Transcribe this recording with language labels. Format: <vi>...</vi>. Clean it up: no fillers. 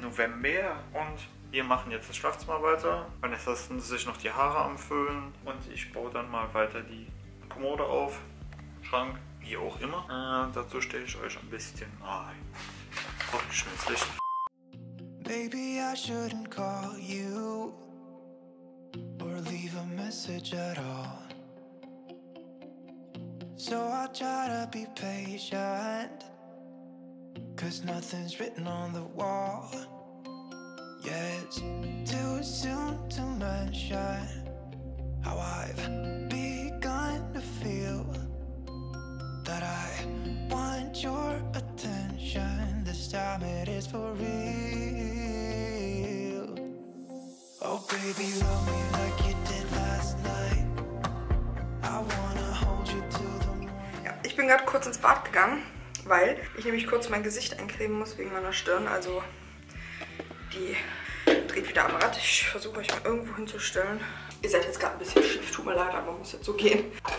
<de>November und wir machen jetzt das Schlafzimmer weiter. Vanessa ist sich noch die Haare am Föhnen und ich baue dann mal weiter die Kommode auf, Schrank, wie auch immer. Dazu stelle ich euch ein bisschen ein. Oh, schönes Licht.</de> <en>Maybe I shouldn't call you or leave a message at all. So I try to be patient, 'cause nothing's written on the wall. Yeah, it's too soon to mention how I've begun to feel that I want your attention. This time it is for real. Oh baby, love me like you did last night. I wanna hold you till the morning.</en> <de>Ja, ich bin gerade kurz ins Bad gegangen, weil ich nämlich kurz mein Gesicht eincremen muss wegen meiner Stirn, also die dreht wieder am Rad. Ich versuche euch mal irgendwo hinzustellen. Ihr seid jetzt gerade ein bisschen schief, tut mir leid, aber muss jetzt so gehen.</de>